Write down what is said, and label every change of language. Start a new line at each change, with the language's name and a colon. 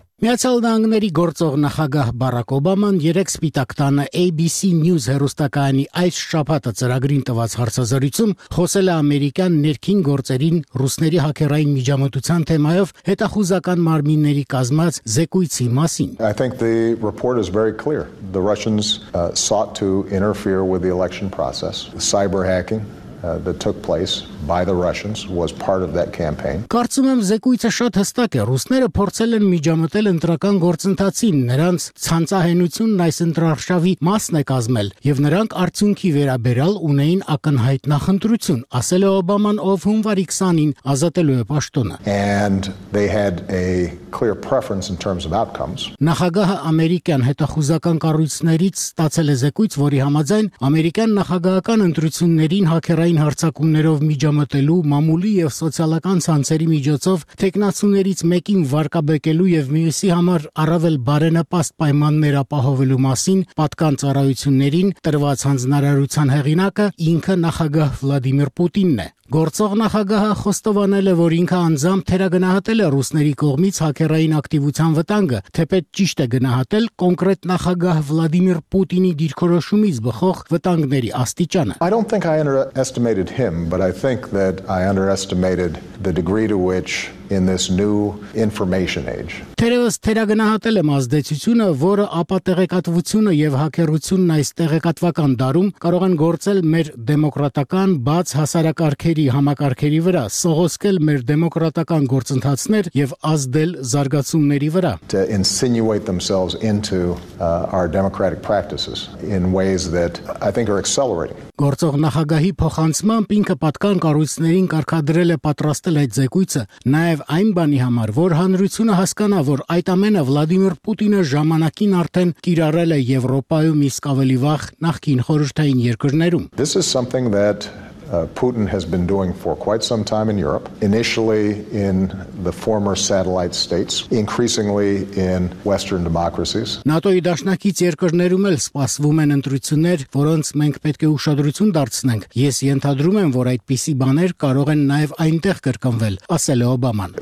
Armenian: Միացյալ Նահանգների գործող նախագահ Բարակ Օբաման երեք սպիտակ տանը ABC News հեռուստակայանի այս շաբաթը ծրագրին տված հարցազրույցում խոսել է ամերիկյան ներքին գործերին ռուսների հակերային միջամտության թեմայով հետախուզական մարմինների կազմած զեկույցի մասին։
English: I think the report is very clear. The Russians sought to interfere with the election process. Cyber hacking that took place by the Russians was part of that campaign.
Armenian: Կարծում եմ զեկույցը շատ հստակ է, ռուսները փորձել են միջամտել ընտրական գործընթացին, նրանց ցանցահենությունն այս ընտրարշավի մասն է կազմել, եւ նրանք արդյունքի վերաբերալ ունեին ակնհայտ նախընտրություն, ասել է Օբաման, ով հունվարի 20-ին ազատելու է պաշտոնը։
English: And they had a clear preference in terms of outcomes.
Armenian: Նախագահը ամերիկյան հետախուզական կառույցներից ստացել է զեկույց, որի համաձայն ամերիկյան նախագահական ընտրություններին հակերային հարձակումներով միջամտելու, մամուլի եւ սոցիալական ցանցերի միջոցով տեխնացուներից մեկին վարկաբեկելու եւ մյուսի համար առավել բարենպաստ պայմաններ ապահովելու մասին պատկան ծառայություններին տրված հանձնարարության հեղինակը ինքը նախագահ Վլադիմիր Պուտինն է։ Գործող նախագահը խոստովանել է, որ ինքը անձամբ թերագնահատել է ռուսների կողմից հակերային ակտիվության վտանգը, թեպետ ճիշտ է գնահատել կոնկրետ նախագահ Վլադիմիր Պուտինի դիրքորոշումից բխող վտանգների աստիճանը։
English: I don't think I underestimated him, but I think that I underestimated the degree to which in this new information age.
Armenian: Թերևս թերագնահատել եմ ազդեցությունը, որը ապատեղեկատվությունը եւ հակերությունն այս տեղեկատվական դարում կարող են գործել մեր դեմոկրատական բաց հասարակարգերի համակարգերի վրա, սողոսկել մեր դեմոկրատական գործընթացներ եւ ազդել զարգացումների վրա.
English: To insinuate themselves into our democratic practices in ways that I think are accelerating.
Armenian: Գործող նախագահի փոխանցմամբ ինքը պատկան կառույցներին կարգադրել է պատրաստել այդ զեկույցը, նաև այն բանի համար, որ հանրությունը հասկանա, որ այդ ամենը Վլադիմիր Պուտինը ժամանակին արդեն կիրառել է Եվրոպայում, իսկ ավելի վաղ նախկին խորհրդային երկրներում։
English: This is something that Putin has been doing for quite some time in Europe, initially in the former satellite states, increasingly in Western democracies.
Armenian: ՆԱՏՕ-ի դաշնակից երկրներում էլ սպասվում են ընտրություններ, որոնց մենք պետք է ուշադրություն դարձնենք։ Ես ենթադրում եմ, որ այդպիսի բաներ կարող են նաև այնտեղ կրկնվել, ասել է Օբաման։